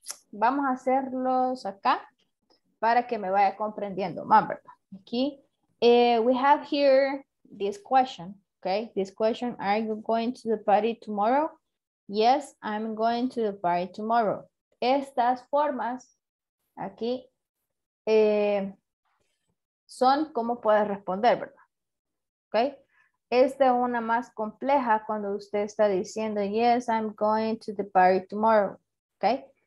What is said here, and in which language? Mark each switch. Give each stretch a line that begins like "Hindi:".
Spanish: Vamos a hacerlos acá para que me vaya comprendiendo.
English: Remember, aquí, we have here this question, okay? This question, are you going to the party tomorrow? Yes, I'm going to the party tomorrow.
Spanish: Estas formas aquí son cómo puedes responder, ¿verdad? Ok. Esta es una más compleja cuando usted está diciendo,
English: yes, I'm going to the party tomorrow.
Spanish: Ok.